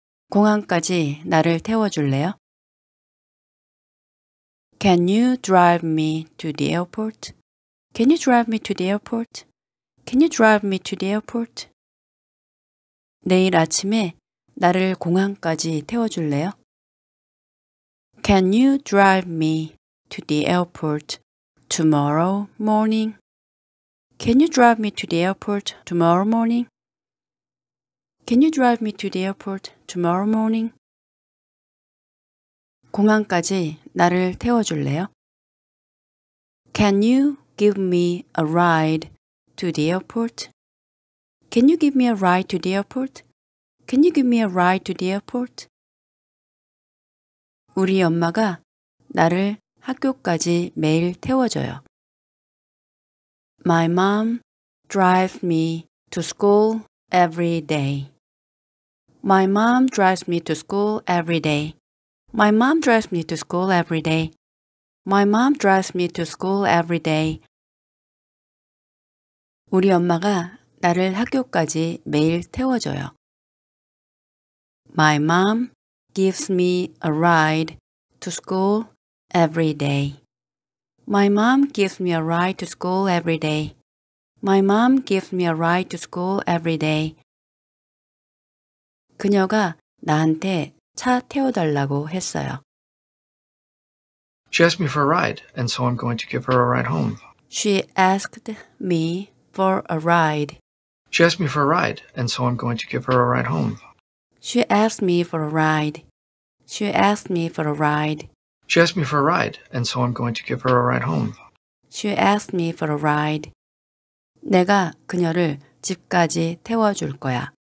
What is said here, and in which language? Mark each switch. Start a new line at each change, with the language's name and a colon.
Korean: 공항까지 나를 태워줄래요?
English: Can you drive me to the airport? Can you drive me to the airport? Can you drive me to the airport?
Korean: 내일 아침에 나를 공항까지 태워줄래요?
English: Can you drive me to the airport tomorrow morning? Can you drive me to the airport tomorrow morning? Can you drive me to the airport tomorrow morning?
Korean: 공항까지 나를 태워줄래요?
English: Can you give me a ride to the airport? Can you give me a ride to the airport? Can you give me a ride to the airport?
Korean: 우리 엄마가 나를 학교까지 매일 태워줘요.
English: My mom drives me to school every day. My mom drives me to school every day. My mom drives me to school every day. My mom drives me to school every day.
Korean: 우리 엄마가 나를 학교까지 매일 태워줘요.
English: My mom gives me a ride to school every day. My mom gives me a ride to school every day. My mom gives me a ride to school every day.
Korean: 그녀가 나한테 차 태워달라고 했어요.
English: She asked me for a ride, and so I'm going to give her a ride home. She asked me for a ride. She asked me for a ride, and so I'm going to give her a ride home. She asked me for a ride. She asked me for a ride. She asked me for a ride, and so I'm going to give her a ride home. She asked me for a ride.
Korean: 내가 그녀를 집까지 태워줄 거야.